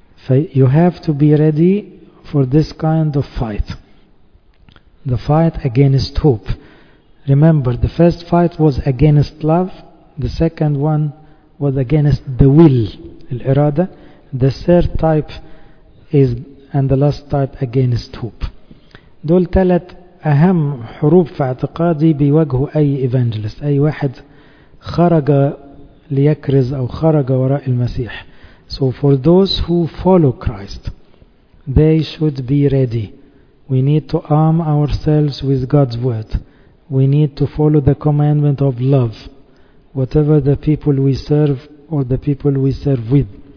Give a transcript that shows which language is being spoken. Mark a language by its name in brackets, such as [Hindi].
[English] You have to be ready for this kind of fight. The fight against hope. Remember, the first fight was against love. The second one was against the will, الإرادة. The third type is, and the last type, against hope. [Arabic] دول ثلاث أهم حروب في اعتقادي بيواجهه أي إيفانجلست، أي واحد خرج ليكرز أو خرج وراء المسيح. [English] So for those who follow Christ, they should be ready. We need to arm ourselves with God's word. We need to follow the commandment of love, whatever the people we serve or the people we serve with.